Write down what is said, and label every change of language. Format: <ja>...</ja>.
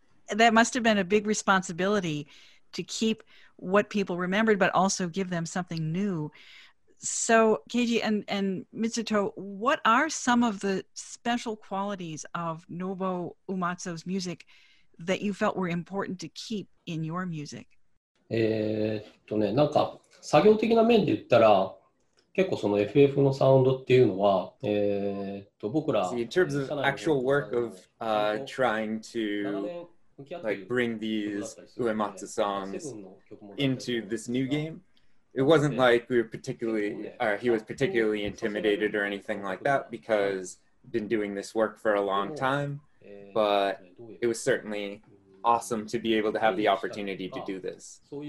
<en>That must have been a big responsibility to keep what people remembered, but also give them something new. So Keiji and Mitsuto, what are some of the special qualities of Nobuo Uematsu's music that you felt were important to keep in your music?</en> <ja>なんか作業的な面で言ったら、結構その FF のサウンドっていうのは、僕ら、</ja> <en>See, in terms of actual work of trying to like bring these Uematsu songs into this new game, it wasn't like we were particularly, or he was particularly intimidated or anything like that, because been doing this work for a long time, but it was certainly awesome to be able to have the opportunity to do this.</en>